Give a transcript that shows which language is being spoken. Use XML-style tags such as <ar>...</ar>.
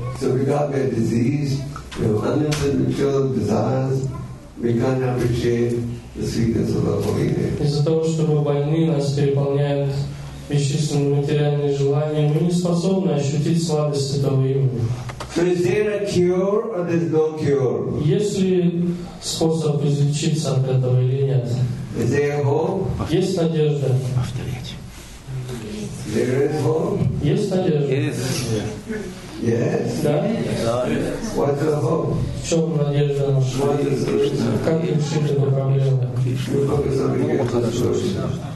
<en>So because we are diseased, we have unlimited material desires, we can't appreciate the sweetness of the Holy Name.</en> <ru>Из-за того, что мы больны, нас переполняют бесчисленные материальные желания, мы не способны ощутить сладость этого имени.</ru> <en>So is there a cure or there's no cure?</en> <ru>Есть ли способ излечиться от этого или нет?</ru> <en>Is there hope?</en> <ru>Есть надежда?</ru> <en>There is hope?</en> <ru>Есть надежда?</ru> <en>Yes. Yes?</en> <ru>Да?</ru> <en>What is the hope?</en> <ru>В чем надежда наша?</ru> <en>What is Krishna?</en> <ru>Как решить эту проблему?</ru> <en>We focus on the solution.</en>